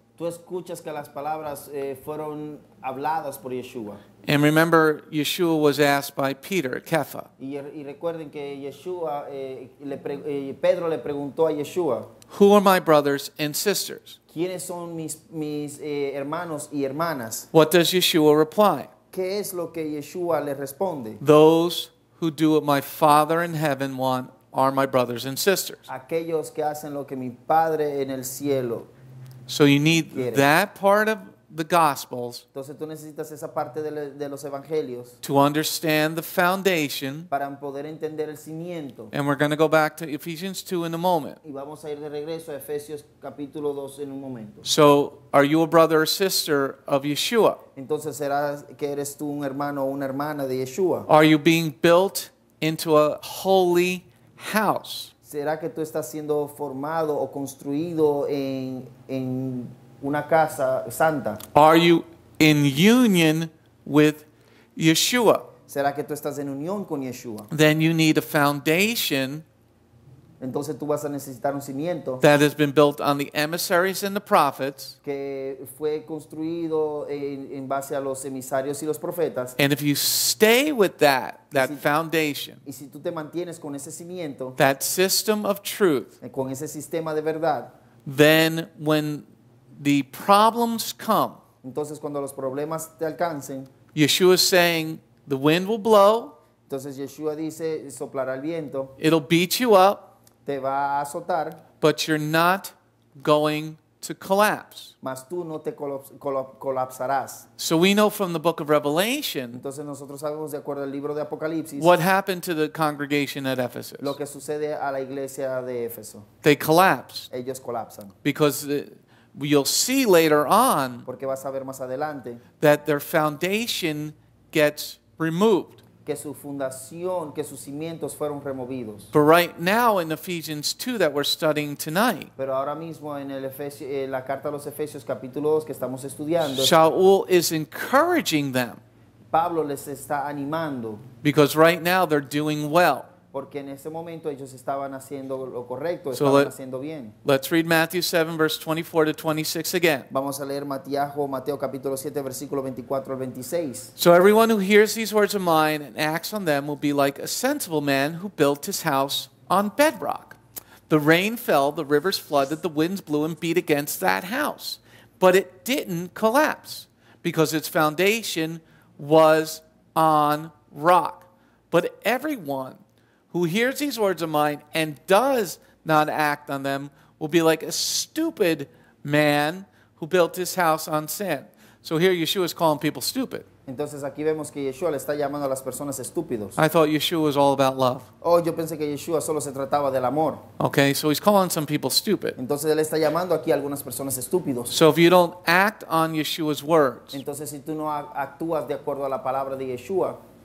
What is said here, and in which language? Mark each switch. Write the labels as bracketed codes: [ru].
[es] Tú escuchas que las palabras fueron habladas por Yeshua. [en] And remember, Yeshua was asked by Peter, Kepha. [es] Y recuerden que Yeshua, Pedro le preguntó a Yeshua, [en] who are my brothers and sisters? [es] ¿Quiénes son mis hermanos y hermanas? [en] What does Yeshua reply? [es] ¿Qué es lo que Yeshua le responde? [en] Those who do what my Father in heaven want are my brothers and sisters. [es] Aquellos que hacen lo que mi padre en el cielo. [en] So you need [es] quiere. [en] That part of the Gospels. [es] Entonces tú necesitas esa parte de los evangelios. [en] To understand the foundation. [es] Para poder entender el cimiento. [en] And we're going to go back to Ephesians 2 in a moment. [es] Y vamos a ir de regreso a Efesios capítulo 2 en un momento. [en] So are you a brother or sister of Yeshua? [es] Entonces serás que eres tú un hermano o una hermana de Yeshua. [en] Are you being built into a holy house? [es] ¿Será que tú estás siendo formado o construido en una casa santa? [en] Are you in union with Yeshua? [es] ¿Será que tú estás en unión con Yeshua? [en] Then you need a foundation. [es] Entonces tú vas a necesitar un cimiento. [en] That has been built on the emissaries and the prophets. [es] Que fue construido en base a los emisarios y los profetas. [en] And if you stay with that foundation. [es] Y si tú te mantienes con ese cimiento. [en] That system of truth. [es] Con ese sistema de verdad. [en] Then when the problems come. [es] Entonces cuando los problemas te alcancen. [en] Yeshua is saying the wind will blow. [es] Entonces Yeshua dice soplará el viento. [en] It'll beat you up. [es] Te va a azotar, [en] but you're not going to collapse. [es] Mas tú no te colapsarás. [en] So we know from the book of Revelation. [es] Entonces nosotros sabemos de acuerdo al libro de Apocalipsis. [en] What happened to the congregation at Ephesus? [es] Lo que sucede a la iglesia de Éfeso. [en] They collapsed. [es] Ellos colapsan. [en] Because you'll see later on. [es] Porque vas a ver más adelante. [en] That their foundation gets removed. [es] Que su fundación, que sus cimientos fueron removidos. [en] But right now in Ephesians 2 that we're studying tonight. [es] Pero ahora mismo en el Efesio, en la carta a los Efesios capítulo 2 que estamos estudiando. [en] Saul is encouraging them. [es] Pablo les está animando. [en] Because right now they're doing well. [es] Porque en ese momento ellos estaban haciendo lo correcto, estaban haciendo bien. [en] Let's read Matthew 7 verse 24 to 26 again. [es] Vamos a leer Mateo capítulo 7 versículo 24 al 26. [en] So everyone who hears these words of mine and acts on them will be like a sensible man who built his house on bedrock. The rain fell, the rivers flooded, the winds blew and beat against that house. But it didn't collapse because its foundation was on rock. But everyone who hears these words of mine and does not act on them will be like a stupid man who built his house on sand. So here Yeshua is calling people stupid. [es] Entonces aquí vemos que Yeshua le está llamando a las personas estúpidos. [en] I thought Yeshua was all about love. [es] Oh, yo pensé que Yeshua solo se trataba del amor. [en] Okay, so he's calling some people stupid. [es] Entonces él está llamando aquí a algunas personas estúpidos. [en] So if you don't act on Yeshua's words. [es] Entonces si tú no actúas de acuerdo a la palabra de Yeshua.